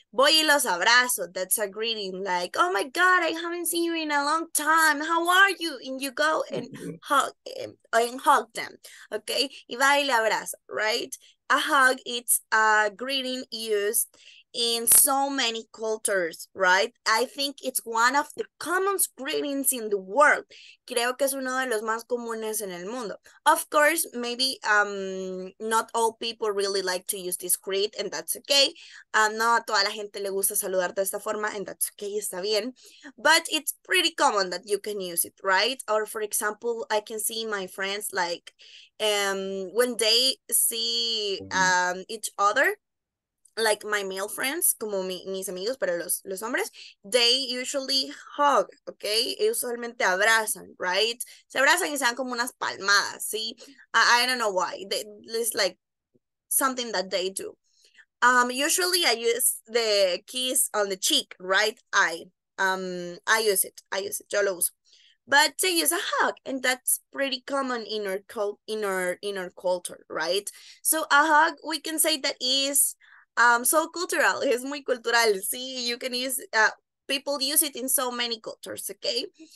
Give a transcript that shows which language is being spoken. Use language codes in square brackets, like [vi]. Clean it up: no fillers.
[es] Voy y los abrazo. [en] That's a greeting. Like, oh my God, I haven't seen you in a long time. How are you? And you go and hug them. Okay? [es] Y va y le abrazo, [en] right? A hug, it's a greeting used in so many cultures, right? I think it's one of the common greetings in the world. [es] Creo que es uno de los más comunes en el mundo. [en] Of course, maybe not all people really like to use this greet, and that's okay. [es] No a toda la gente le gusta saludar de esta forma, [en] and that's okay, [es] está bien. [en] But it's pretty common that you can use it, right? Or for example, I can see my friends, like when they see each other, like my male friends, [es] como mis amigos, pero los hombres, [en] they usually hug, okay? [es] Ellos usualmente abrazan, right? Se abrazan y se dan como unas palmadas, ¿sí? [en] I don't know why. It's like something that they do. Usually I use the kiss on the cheek, right? I use it. [es] Yo lo uso. [en] But they use a hug, and that's pretty common in our culture, right? So a hug, we can say that is so cultural, [es] es muy cultural, sí, [en] you can use, people use it in so many cultures, okay?